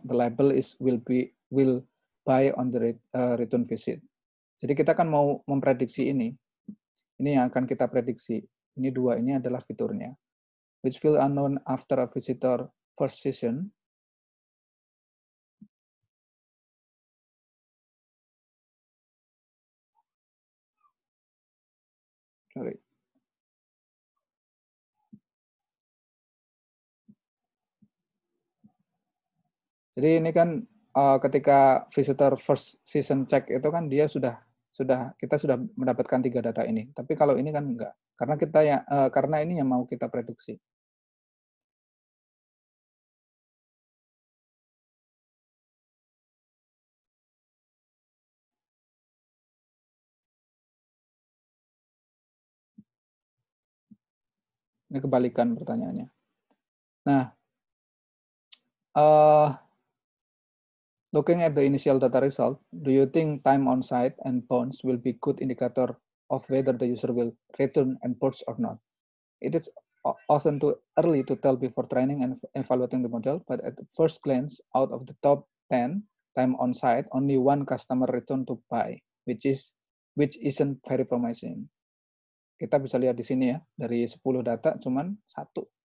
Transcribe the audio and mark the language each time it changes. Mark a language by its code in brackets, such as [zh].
[en] The label is will buy on the return visit. [id] Jadi kita kan mau memprediksi ini. Ini yang akan kita prediksi. Ini dua ini adalah fiturnya. [en] Which field unknown after a visitor first session? Sorry. [id] Jadi ini kan ketika visitor first session check itu kan dia sudah mendapatkan tiga data ini. Tapi kalau ini kan enggak. Karena kita ya karena ini yang mau kita prediksi. Ini kebalikan pertanyaannya. [en] Nah, looking at the initial data result, do you think time on site and bounce will be good indicator of whether the user will return and purchase or not? It is often too early to tell before training and evaluating the model, but at first glance, out of the top 10 time on site, only one customer return to buy, which isn't very promising. [id] Kita bisa lihat di sini ya, dari 10 data cuman satu.